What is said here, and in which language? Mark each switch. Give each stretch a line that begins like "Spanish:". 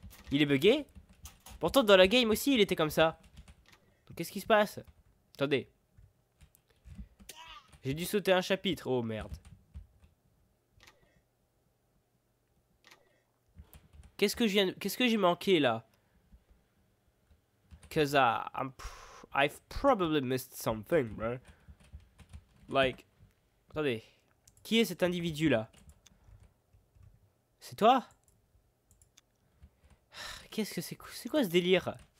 French: Il est bugué? Pourtant, dans la game aussi, il était comme ça. Qu'est-ce qui se passe? Attendez. J'ai dû sauter un chapitre. Oh merde. Qu'est-ce que j'ai manqué là?
English: Cause I've probably missed something, bro. Like,
French: attendez, qui est cet individu là? C'est toi? qu'est-ce que c'est quoi ce délire?